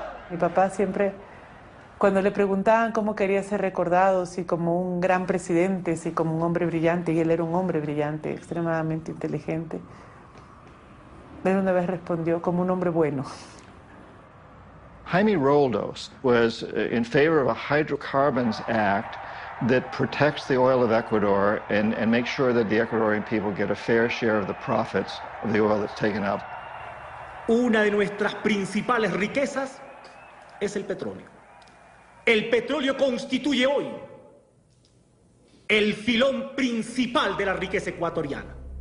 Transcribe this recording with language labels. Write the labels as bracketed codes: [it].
[es] Mi papá siempre, cuando le preguntaban cómo quería ser recordado, si como un gran presidente, si como un hombre brillante, y él era un hombre brillante, extremadamente inteligente, él una vez respondió, como un hombre bueno. [en] Jaime Roldós was in favor of a hydrocarbons act that protects the oil of Ecuador and makes sure that the Ecuadorian people get a fair share of the profits of the oil that's taken up. [es] Una de nuestras principales riquezas es el petróleo. El petróleo constituye hoy el filón principal de la riqueza ecuatoriana.